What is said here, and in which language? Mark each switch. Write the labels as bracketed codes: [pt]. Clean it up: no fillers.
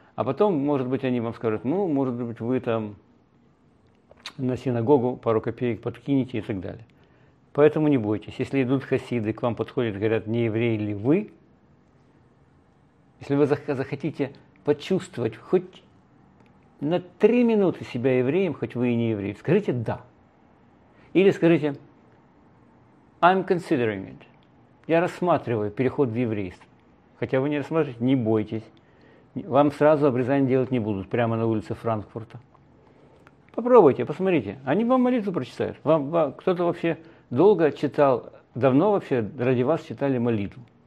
[ru] А потом, может быть, они вам скажут, ну, может быть, вы там на синагогу пару копеек подкинете и так далее. Поэтому не бойтесь. Если идут хасиды, к вам подходят, говорят, не еврей ли вы, если вы захотите почувствовать хоть на 3 минуты себя евреем, хоть вы и не еврей, скажите «да». Или скажите [en] «I'm considering it». [ru] Я рассматриваю переход в еврейство. Хотя вы не рассматриваете, не бойтесь. Вам сразу обрезание делать не будут прямо на улице Франкфурта. Попробуйте, посмотрите. Они вам молитву прочитают. Вам кто-то вообще долго читал, давно вообще ради вас читали молитву.